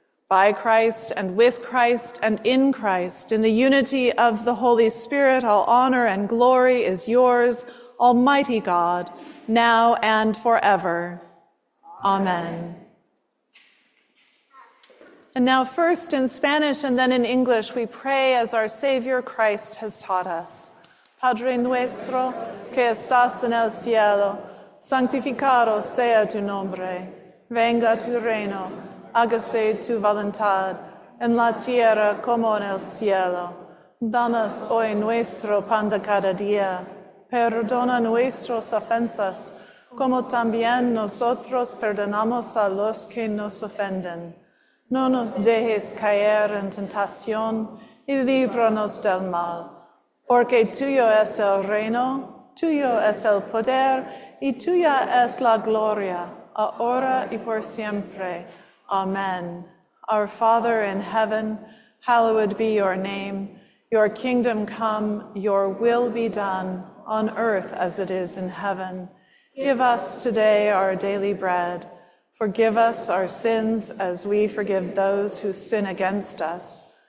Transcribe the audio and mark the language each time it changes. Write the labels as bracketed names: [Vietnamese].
[English] By Christ and with Christ and in Christ, in the unity of the Holy Spirit, all honor and glory is yours, Almighty God, now and forever. Amen. And now first in Spanish and then in English, we pray as our Savior Christ has taught us. [Spanish] Padre nuestro que estás en el cielo, santificado sea tu nombre. Venga tu reino, hágase tu voluntad, en la tierra como en el cielo. Danos hoy nuestro pan de cada día. Perdona nuestras ofensas, como también nosotros perdonamos a los que nos ofenden. No nos dejes caer en tentación y líbranos del mal. Porque tuyo es el reino, tuyo es el poder Y tuya es la gloria, ahora y por siempre. Amen. [English] Our Father in heaven, hallowed be your name. Your kingdom come, your will be done, on earth as it is in heaven. Give us today our daily bread. Forgive us our sins as we forgive those who sin against us.